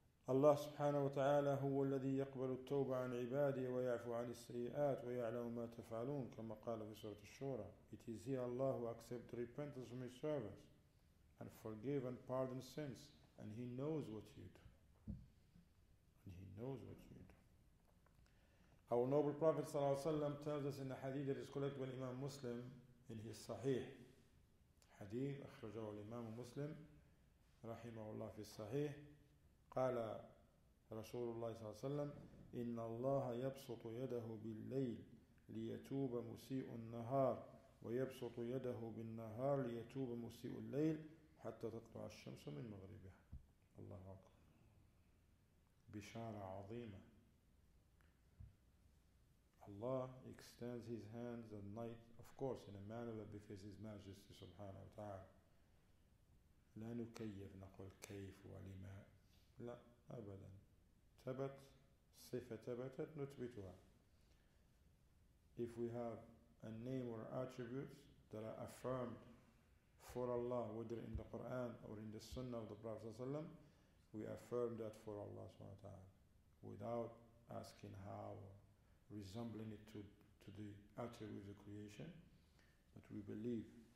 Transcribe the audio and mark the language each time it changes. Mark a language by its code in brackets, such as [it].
[ar] الله سبحانه وتعالى هو الذي يقبل التوبة عن عباده ويعفو عن السيئات ويعلم ما تفعلون كما قال في سورة الشورى. [en] It is He, Allah, who accepts repentance from His servants and forgive and pardon sins, and He knows what you do. And He knows what you do. Our noble Prophet [ar] صلى الله عليه وسلم [en] tells us in the hadith that is collected by Imam Muslim in his Sahih. [ar] Hadith أخرجه الإمام مسلم رحمه الله في الصحيح. قال رسول الله صلى الله عليه وسلم إن الله يبسط يده بالليل ليتوب مسيء النهار ويبسط يده بالنهار ليتوب مسيء الليل حتى تطلع الشمس من مغربها. الله أكبر. بشارة عظيمة. [en] Allah extends His hands at night, of course, in a manner that befits His Majesty [ar] سبحانه وتعالى. لا نكيف نقول كيف ولما لا أبدا تبت صفة تبتت نثبتها. [en] If we have a name or attributes that are affirmed for Allah, whether in the Quran or in the Sunnah of the Prophet ﷺ, we affirm that for Allah subhanahu wa ta'ala without asking how or resembling it to the attributes of creation, but we believe.